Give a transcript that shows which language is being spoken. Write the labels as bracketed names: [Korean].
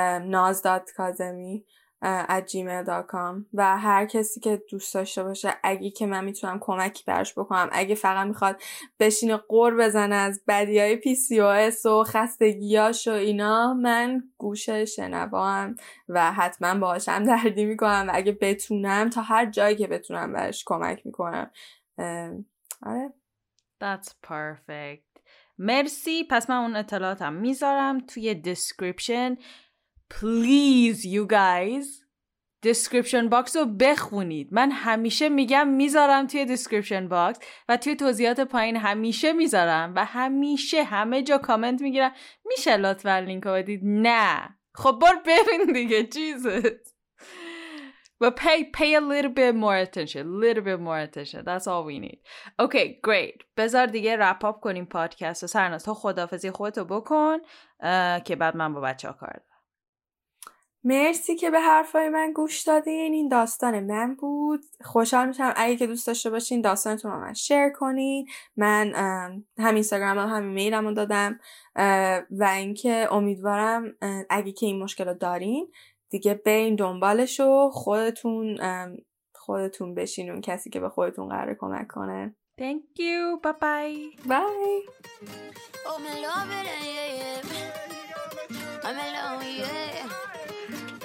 [Persian] naz.kazemi@gmail.com و هر کسی که دوست داشته باشه اگه که من میتونم کمکی براش بکنم، اگه فقط میخواد بشینه قور بزنه از بدیای PCOS و خستگیاش و اینا، من گوش شنوام و حتما باهاشم دردی میکنم و اگه بتونم تا هر جایی که بتونم براش کمک میکنم. آره [English] That's perfect. [Persian] مرسی. پس من اون اطلاعاتم میذارم توی دسکریپشن. [English] Please you guys description box [Persian] رو بخونید. من همیشه میگم میذارم توی description box و توی توضیحات پایین همیشه میذارم و همیشه همه جا کامنت میگیرم میشه لطفا لینک رو بدید؟ نه خب بار ببین دیگه Jesus. [English] But pay a little bit more attention. That's all we need. Okay, great. [Persian] بذار دیگه wrap up کنیم پادکست و سرناز تو خدافزی خودتو بکن که بعد من با بچه ها کار. مرسی که به حرفای من گوش دادین. این داستان من بود. خوشحال میشم اگه که دوست داشته باشین داستانتون رو من شیر کنین. من هم اینستاگرام و هم ایمیلم رو دادم و اینکه امیدوارم اگه که این مشکل رو دارین دیگه برین دنبالش و خودتون بشین اون کسی که به خودتون قراره کمک کنه. [English] Thank you. Bye-bye. Bye. I'm in love with you. I'm in love with you.